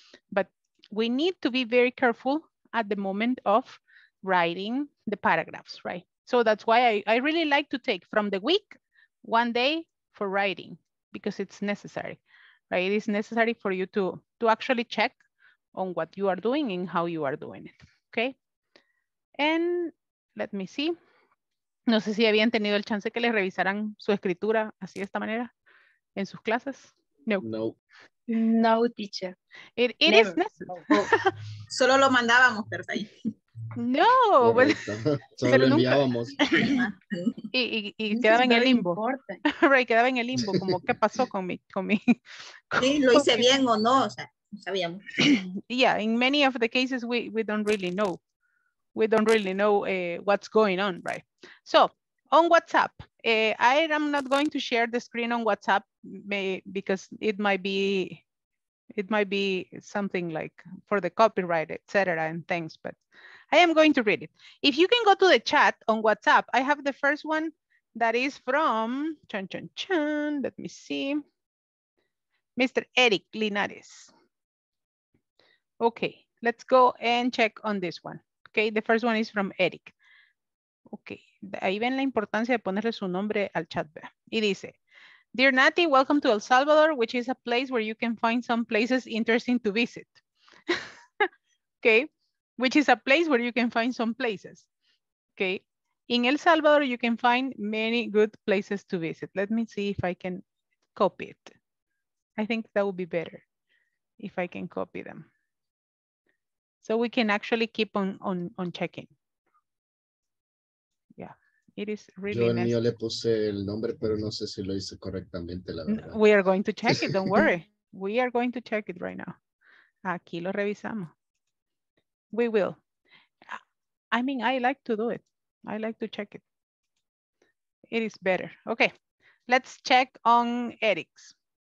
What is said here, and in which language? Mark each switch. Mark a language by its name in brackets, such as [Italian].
[English] But we need to be very careful at the moment of writing the paragraphs, right? So that's why I really like to take from the week one day for writing, because it's necessary, right? It is necessary for you to actually check on what you are doing and how you are doing it, okay? And let me see. [Spanish] No sé si habían tenido el chance que les revisaran su escritura así de esta manera en sus clases. No, [English] teacher. It is necessary. [Spanish] No. Solo lo mandábamos, pero ahí. No, solo lo enviábamos. Y quedaba en el limbo. [English] Right, [Spanish] quedaba en el limbo, como qué pasó con mi. Sí, lo hice bien o no, o sea, sabíamos. [English] Yeah, in many of the cases we don't really know. We don't really know what's going on, right? So, on WhatsApp, I am not going to share the screen on WhatsApp because it might be something like for the copyright, etc. and things, but I am going to read it. If you can go to the chat on WhatsApp, I have the first one that is from, chun, chun, chun, let me see, Mr. Eric Linares. Okay, let's go and check on this one. Okay, the first one is from Eric. [Spanish] Okay, ahí ven la importancia de ponerle su nombre al chat. Y dice, [English] dear Nati, welcome to El Salvador, which is a place where you can find some places interesting to visit. Okay. Which is a place where you can find some places. Okay. In El Salvador, you can find many good places to visit. Let me see if I can copy it. I think that would be better if I can copy them. So we can actually keep on checking. Yeah, it is really nice. [Spanish] Yo mío le puse el nombre, pero no sé si lo hice correctamente, la verdad. [English] We are going to check it, don't worry. We are going to check it right now. [Spanish] Aquí lo revisamos. [English] We will. I mean, I like to do it. I like to check it. It is better. Okay, let's check on Eric's.